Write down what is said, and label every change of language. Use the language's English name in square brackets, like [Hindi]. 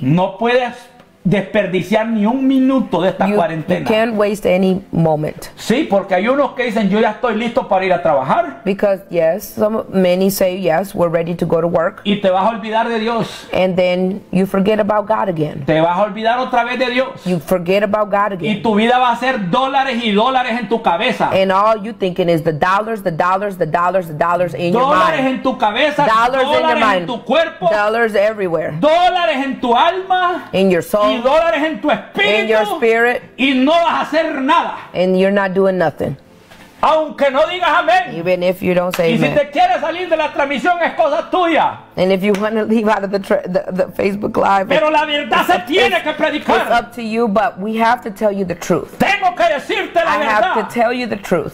[Spanish] No puedes desperdiciar ni un minuto de esta cuarentena. [English] You can't waste any moment. [Spanish] Sí, porque hay unos que dicen, yo ya estoy listo para ir a trabajar. [English] Because yes, many say yes, we're ready to go to work. [Spanish] Y te vas a olvidar de Dios. [English] And then you forget about God again. [Spanish] Te vas a olvidar otra vez de Dios. [English] You forget about God again. [Spanish] Y tu vida va a ser dólares y dólares en tu cabeza. [English] And all you thinking is the dollars in [Spanish] dólares [English] your mind. [Spanish] Dólares en tu cabeza, dólares [English] in your mind. [Spanish] En tu cuerpo. [English] Dollars everywhere. [Spanish] Dólares en tu alma. [English] In your soul. [Spanish] Y dólares en tu espíritu. [English] In your spirit. [Spanish] Y no vas a hacer nada. [English] And you're not doing nothing. [Spanish] Aunque no digas amén. [English] Even if you don't say [Spanish] y [English] amen. [Spanish] Y si te quieres salir de la transmisión es cosa tuya. [English] And if you want to leave out of the Facebook Live. [Spanish] Pero la verdad se tiene que predicar. [English] It's up to you, but we have to tell you the truth. [Spanish] Tengo que decirte la verdad. [English] I have to tell you the truth.